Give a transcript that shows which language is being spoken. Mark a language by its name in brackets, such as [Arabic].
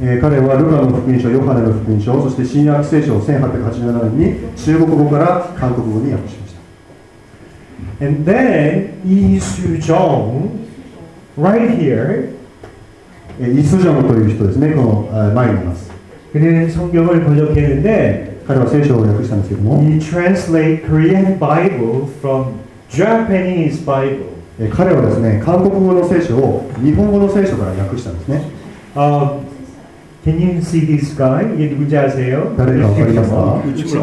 [Japanese] 彼はルカの福音書、ヨハネの福音書、そして新約聖書を1887年に中国語から韓国語に訳しました。 [English] And then, イスジョン right here. [Japanese] イスジョンという人ですね。この前にいます。 [Korean] 그는성경을번역했는데、 [Japanese] 彼は聖書を訳したんですけども、 [English] He translate Korean Bible from Japanese Bible. [Japanese] 彼はですね、韓国語の聖書を日本語の聖書から訳したんですね。 [English] Can you see this guy? [Korean] 이게누구지아세요？ [Japanese] 誰かわかりますか？